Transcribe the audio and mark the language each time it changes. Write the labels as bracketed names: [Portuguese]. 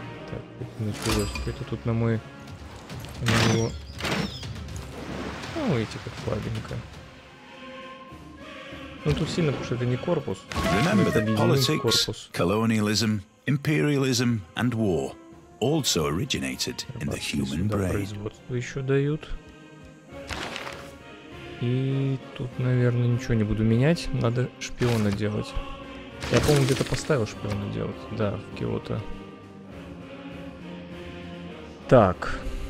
[Russian] Так, это началось. Это тут на мой... На его... Ну, эти как слабенько. Ну, тут сильно, потому что это не корпус. Это объединенный корпус. Колониализм. [English] Imperialism and war also originated in the human brain. [Russian] Производство еще дают. И тут, наверное, ничего не буду менять. Надо шпиона делать. Я, по-моему, где-то поставил шпиона делать. Да, в Киото. Так.